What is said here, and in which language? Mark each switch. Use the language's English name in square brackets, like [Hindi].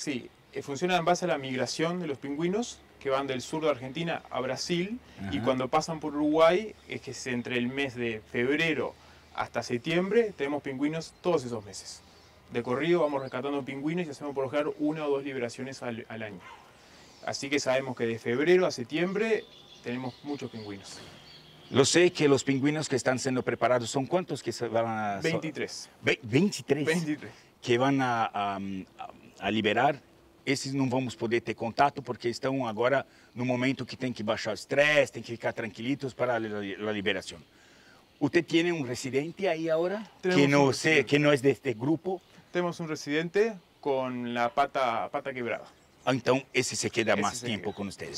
[Portuguese] Sim, sí, funciona em base à migração dos pinguinos, que vão do sul da Argentina a Brasil, e quando passam por Uruguai, é que entre o mês de fevereiro até setembro, temos pinguinos todos esses meses. De corrido, vamos rescatando pinguinos e fazemos, por exemplo, uma ou duas liberações ao ano. Assim que sabemos que de fevereiro a setembro, [Spanish] tenemos muchos pingüinos. Lo sé que los pingüinos que están siendo preparados son cuántos que se van a... 23. 23. 23. Que van a liberar. [Portuguese] Esses não vamos poder ter contato porque estão agora no momento que tem que baixar o estresse, tem que ficar tranquilitos para a liberação. [Spanish] ¿Usted tiene un residente ahí ahora? Tenemos que no sé, que no es de este grupo. Tenemos un residente con la pata quebrada. [Portuguese] Então, esse [Spanish] se queda [Portuguese] mais tempo com vocês.